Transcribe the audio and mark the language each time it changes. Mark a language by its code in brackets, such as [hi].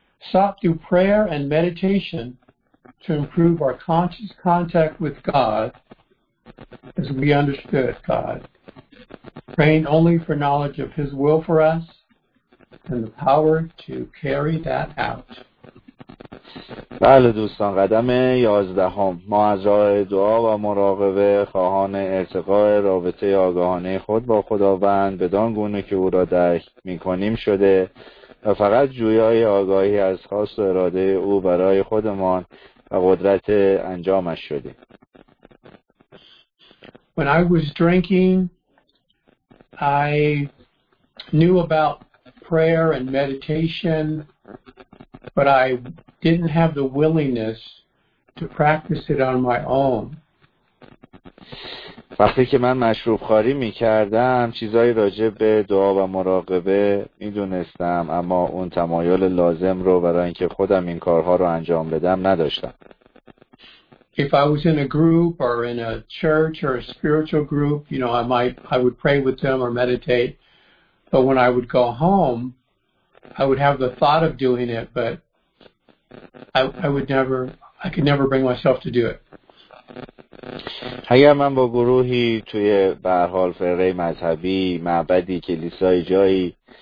[en] Stop through prayer and meditation to improve our conscious contact with God as we understood God. Praying only for knowledge of His will for us and the power to carry that out. [fa] بله دوستان، قدم 11 ما از راه دعا و مراقبه خواهان ارتقاء رابطه آگاهانه خود با خداوند بدان گونه که او را درک می‌کنیم شده و فقط جویای آگاهی از خواست و اراده او برای خودمان و قدرت انجامش شدیم. [en] When I was drinking, I knew about prayer and meditation, but I didn't have the willingness to practice it on my own. [fa] وقتی که من مشروب خاری می کردم، چیزایی راجع به دعا و مراقبه می دونستم، اما اون تمایل لازم رو برای اینکه خودم این کارها رو انجام بدم نداشتم. [en] If I was in a group or in a church or a spiritual group, you know, I would pray with them or meditate. But when I would go home, I would have the thought of doing it, but I could never bring myself to do it. [fa] اگر من با گروهی توی به هر حال فرقه مذهبی، معبدی، کلیسای جایی